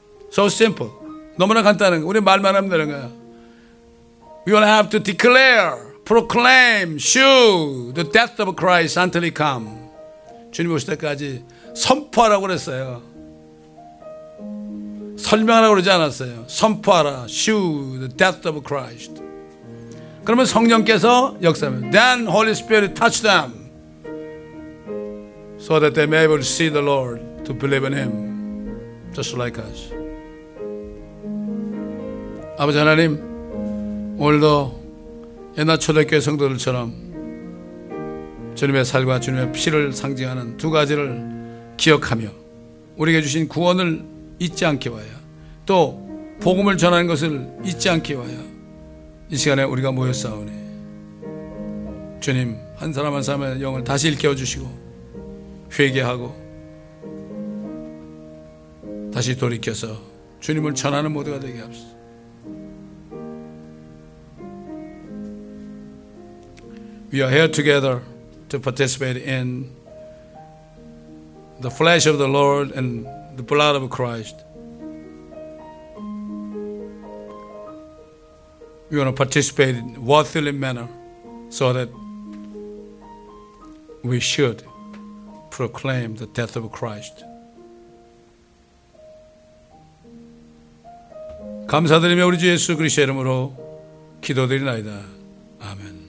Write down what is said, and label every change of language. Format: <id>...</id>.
<en>So simple.</en> <ko>너무나 간단한 거. 우리 말만 하면 되는 거야.</ko> <en>We will have to declare, proclaim, show the death of Christ until he come.</en> <ko>주님 오실 때까지 선포하라고 그랬어요. 설명하라고 그러지 않았어요. 선포하라.</ko> <en>Show the death of Christ.</en> <ko>그러면 성령께서 역사하면</ko> <en>Then Holy Spirit touch them so that they may be able to see the Lord to believe in him just like us.</en> <ko>아버지 하나님 오늘도 옛날 초대교회 성도들처럼 주님의 살과 주님의 피를 상징하는 두 가지를 기억하며 우리에게 주신 구원을 잊지 않게 와야 또 복음을 전하는 것을 잊지 않게 와야 이 시간에 우리가 모였사오니 주님 한 사람 한 사람의 영을 다시 일깨워주시고 회개하고 다시 돌이켜서 주님을 전하는 모두가 되게 합시다. 우리 모두</ko> <en>to participate in the flesh of the Lord and the blood of Christ. We want to participate in a worthy manner so that we should proclaim the death of Christ.</en> <ko>감사드리며 우리 주 예수 그리스도의 이름으로 기도드리나이다. 아멘.</ko>